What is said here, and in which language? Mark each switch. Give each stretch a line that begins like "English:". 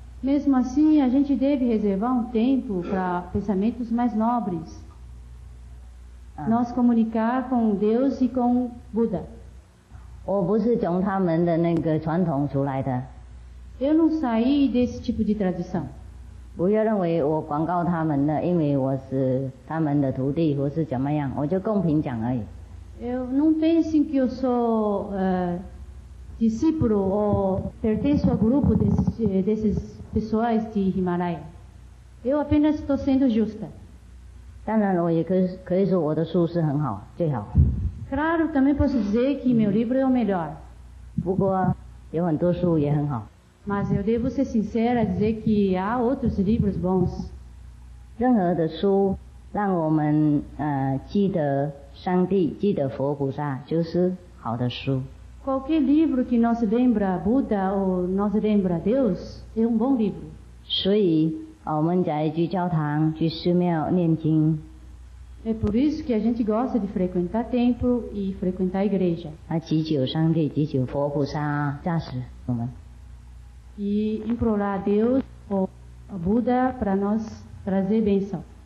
Portuguese: Mesmo assim, a gente deve reservar tempo para pensamentos mais nobres. Nós comunicar com Deus e com Buda.
Chinese: 我不是从他们的那个传统出来的.
Portuguese: Eu não saí desse tipo de tradição.
Chinese: 不要认为我广告他们的, 因为我是他们的徒弟, 或是怎么样, 我就公平讲而已.
Portuguese: Eu não penso que eu sou discípulo ou pertenço ao grupo desses pessoais de Himalaia. Eu apenas estou sendo justa.
Chinese: 当然我也可以说我的书是很好, 最好.
Portuguese: Claro, também posso dizer que meu livro é o melhor.
Chinese: 不过有很多书也很好.
Portuguese: Mas eu devo ser sincera e dizer que há outros livros bons.
Chinese: 任何的书让我们, 记得上帝, 记得佛菩萨, 就是好的书.
Portuguese: Qualquer livro que nos lembra Buda ou nos lembra Deus é bom livro.
Chinese: 所以我们在去教堂, 去寺庙念经.
Portuguese: É por isso que a gente gosta de frequentar templo e frequentar a igreja.
Chinese: 祈求上帝, 祈求佛菩萨加持我们.
Portuguese: E implorar a Deus ou a Buda para nós trazer bênção.